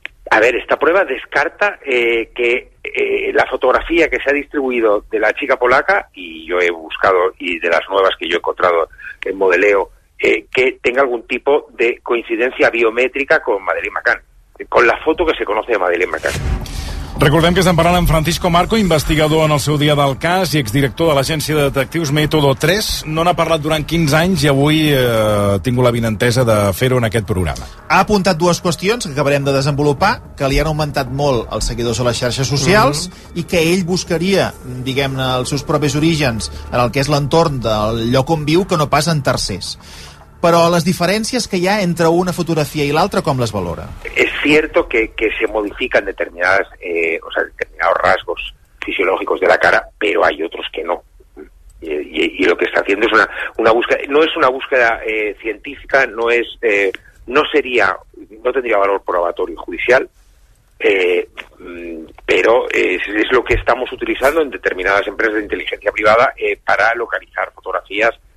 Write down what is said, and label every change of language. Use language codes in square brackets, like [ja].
[es] A ver, esta prueba descarta que la fotografía que se ha distribuido de la chica polaca, y yo he buscado, y de las nuevas que yo he encontrado en modeleo, que tenga algún tipo de coincidencia biométrica con Madeleine McCann, con la foto que se conoce de Madeleine McCann. [ca] Recordem que estem parlant amb Francisco Marco, investigador en el seu dia del cas i exdirector de l'agència de detectius Método 3. No n'ha parlat durant 15 anys i avui tinc la benentesa de fer-ho en aquest programa. Ha apuntat dues qüestions que acabarem de desenvolupar, que li han augmentat molt els seguidors a les xarxes socials i que ell buscaria, diguem-ne, els seus propis orígens en el que és l'entorn del lloc on viu, que no pas en tercers. Però les diferències que hi ha entre una fotografia i l'altra, com les valora? [es] Es cierto que se modifican determinadas, o sea, determinados rasgos fisiológicos de la cara, pero hay otros que no. Y lo que está haciendo es una búsqueda, no es una búsqueda científica, no es, no sería, no tendría valor probatorio judicial, pero es lo que estamos utilizando en determinadas empresas de inteligencia privada para localizar fotografías.